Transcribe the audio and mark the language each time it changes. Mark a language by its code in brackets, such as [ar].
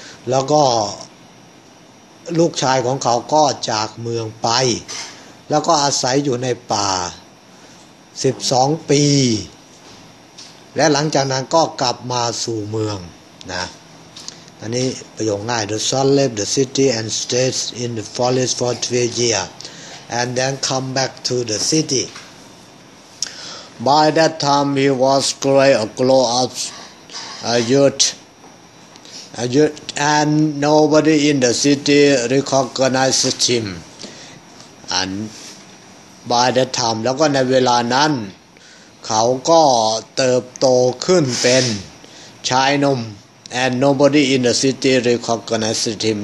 [th] แล้วก็ลูกชายของเขาก็จากเมืองไปแล้วก็อาศัยอยู่ในป่า12ปีและหลังจากนั้นก็กลับมาสู่เมืองนะอันนี้ประโยคง่าย [en] The sun left the city and stayed in the forest for 12 years. And then come back to the city. By that time, he was quite a grown-up youth, and nobody in the city recognized him. And by that time, [th] แล้วก็ในเวลานั้นเขาก็เติบโตขึ้นเป็นชายหนุ่ม [en] and nobody in the city recognized him.